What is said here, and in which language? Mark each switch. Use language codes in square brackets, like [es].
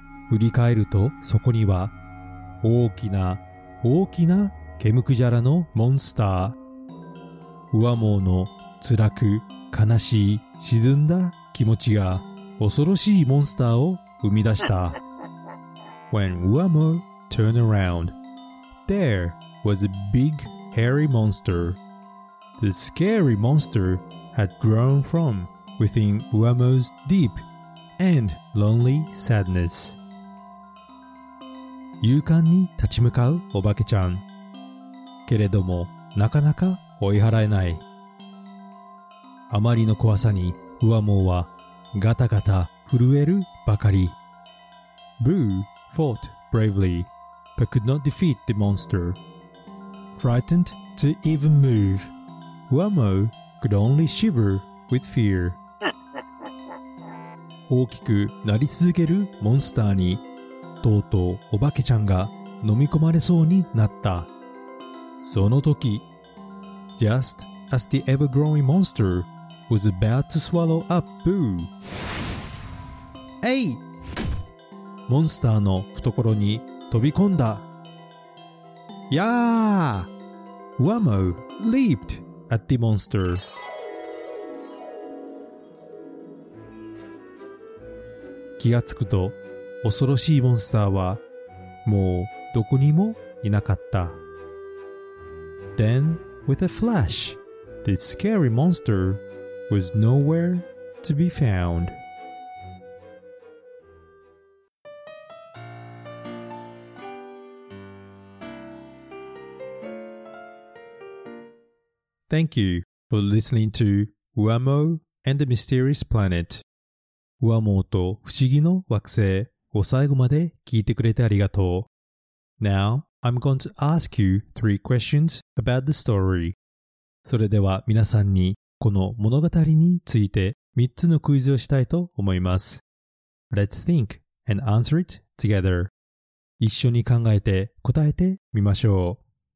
[ja] 振り返るとそこには大きな大きなケムクジャラのモンスター。ウアモーの辛く悲しい沈んだ気持ちが恐ろしいモンスターを生み出した。 [en] When Wamo turned around, there was a big hairy monster. The scary monster had grown from. Within Wamo's deep and lonely sadness. [ja] 勇敢に立ち向かうお化けちゃん。けれども、なかなか追い払えない。あまりの怖さに、ウアモーはガタガタ震えるばかり。 [en] Boo fought bravely, but could not defeat the monster. Frightened to even move, Wamo could only shiver with fear. [ja] 大きくなり続けるモンスターに、とうとうお化けちゃんが飲み込まれそうになった。その時、 [en] Just as the ever-growing monster was about to swallow up Boo. Hey! [ja] モンスターの懐に飛び込んだ。やあ [en] !Wamo leaped at the monster. [ja] 気がつくと、恐ろしいモンスターは、もうどこにもいなかった。 [en] Then, with a flash, the scary monster was nowhere to be found. Thank you for listening to Uamo and the Mysterious Planet. [ja] Uamo と不思議の惑星を最後まで聞いてくれてありがとう。 [en] Now, I'm going to ask you three questions about the story. [ja] それでは皆さんにこの物語について3つのクイズをしたいと思います。 [en] Let's think and answer it together. [ja] 一緒に考えて答えてみましょう。